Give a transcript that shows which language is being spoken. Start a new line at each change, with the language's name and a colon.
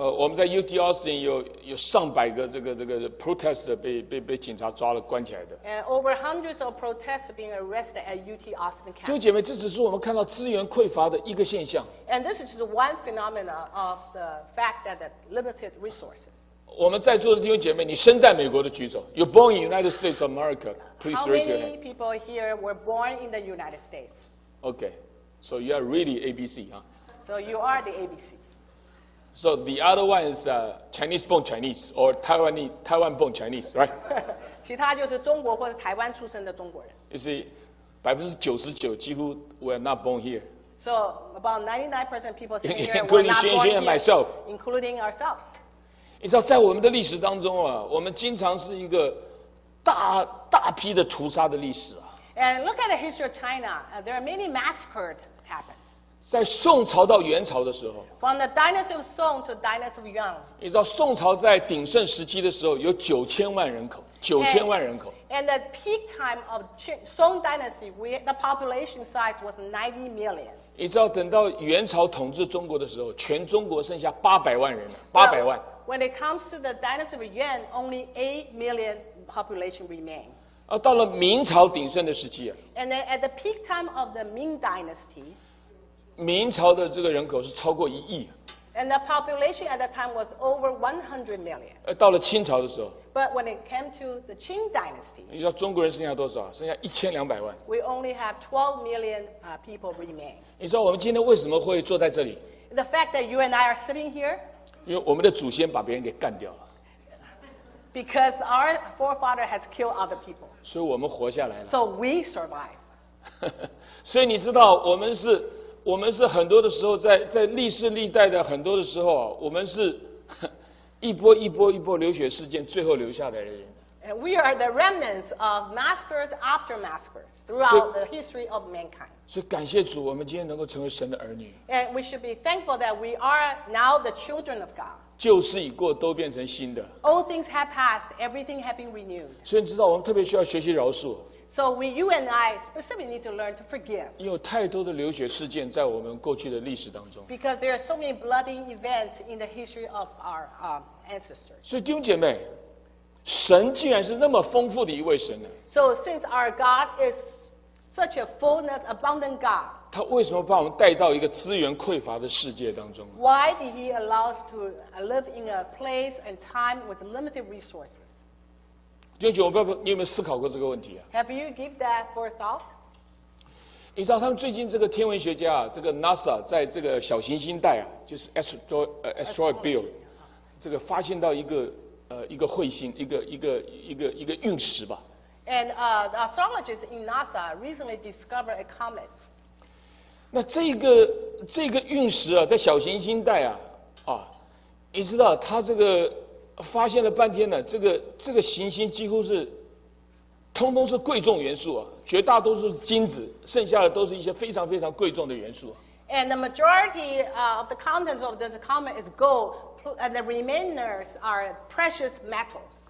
Chinese: 我们在 UT Austin 有上百个这个 protest 被警察抓了关起来的。
English: And over hundreds of protests being arrested at UT Austin campus.
Chinese: 弟兄姐妹，这只是我们看到资源匮乏的一个现象。
English: And this is just one phenomena of the fact that the limited resources.
Chinese: 我们在座的弟兄姐妹，你身在美国的举手。
English: You're born in United States of America. Please raise your hand. How many people here were born in the United States? Okay, so you are really ABC, huh? So you are the ABC. So the other one is Chinese-born Chinese or Taiwan-born Chinese, right?
Chinese: 其他就是中国或者台湾出生的中国人。
English: You see, 99%
Chinese: 几乎
English: were not born here. So about 99% of people sitting here including were not born here, and myself. Including ourselves.
Chinese: 你知道在我们的历史当中啊，我们经常是一个大批的屠杀的历史啊。
English: And look at the history of China. There are many massacres happen.
Chinese: 在宋朝到元朝的时候
English: From the dynasty of Song to dynasty of Yang
Chinese: 你知道宋朝在鼎盛时期的时候有九千万人口
English: and the peak time of Song dynasty the population size was 90 million
Chinese: 你知道等到元朝统治中国的时候全中国剩下800万人
English: Now, when it comes to the dynasty of Yuan only 8 million population remain
Chinese: 到了明朝鼎盛的时期
English: and then at the peak time of the Ming dynasty
Chinese: 明朝的这个人口是超过一亿
English: And the population at that time was over 100 million
Chinese: 到了清朝的时候
English: But when it came to the Qing dynasty
Chinese: 你知道中国人剩下多少剩下1200万
English: We only have 12 million people remain
Chinese: 你知道我们今天为什么会坐在这里
English: The fact that you and I are sitting here
Chinese: 因为我们的祖先把别人给干掉了
English: Because our forefather has killed other people
Chinese: 所以我们活下来了
English: So we survive
Chinese: 所以你知道我们是很多的时候在历史历代的很多的时候啊，我们是一波一波一波流血事件最后留下来的人。
English: And we are the remnants of massacres after massacres throughout the history of mankind.
Chinese: 所以感谢主，我们今天能够成为神的儿女。
English: And we should be thankful that we are now the children of God.
Chinese: 旧事已过，都变成新的。
English: Old things have passed, everything has been renewed.
Chinese: 所以你知道，我们特别需要学习饶恕。
English: So you and I specifically need to learn to forgive.
Chinese: 因为太多的流血事件在我们过去的历史当中。
English: Because there are so many bloody events in the history of our ancestors.
Chinese: 所以弟兄姐妹，神竟然是那么丰富的一位神呢
English: ？So since our God is such a fullness, abundant God.
Chinese: 他为什么把我们带到一个资源匮乏的世界当中
English: ？Why did He allow us to live in a place and time with limited resources?
Chinese: 弟兄姐妹，你有没有思考过这个问题啊
English: ？Have you give that for thought？
Chinese: 你知道他们最近这个天文学家啊，这个 NASA 在这个小行星带啊，就是 asteroid belt， 这个发现到一个彗星，一个陨石吧。
English: And the astrologers in NASA recently discovered a comet.
Chinese: 那这个这个陨石啊，在小行星带啊，啊，你知道他这个发现了半天呢、啊，这个行星几乎是通通是贵重元素啊，绝大多数是金子，剩下的都是一些非常非常贵重的元素、啊。
English: And the majority of the contents of this comet is gold, and the remainders are precious metals.